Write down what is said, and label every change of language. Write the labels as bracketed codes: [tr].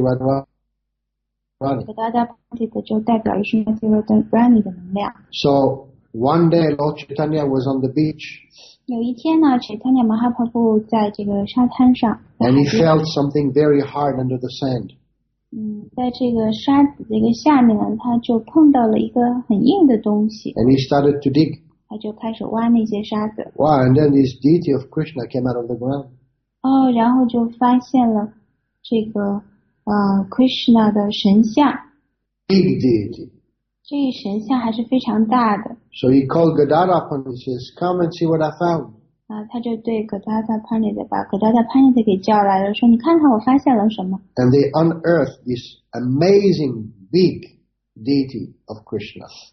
[zh] Radharani. Gadadhar Pandit 就代表 Srimati Radharani 的能量. [en] So one day Lord Chaitanya was on the beach. [zh] 有一天呢, Chaitanya Mahaprabhu 在这个沙滩上, [en] and he felt something very hard under the sand. [zh] 在这个沙子这个下面呢，他就碰到了一个很硬的东西。 [en] And he started to dig. [zh] 他就开始挖那些沙子。 [en] Wow, and then this deity of Krishna came out of the ground. [zh] 哦，然后就发现了这个 Krishna 的神像。 [en] Big deity. [zh] 这个神像还是非常大的。 [en] So he called Gadadhar Pandit and says, "Come and see what I found." [zh] 他就对Gadadhar Pandit把Gadadhar Pandit给叫来了，说你看看我发现了什么。 [en] And they unearthed this amazing big deity of Krishna.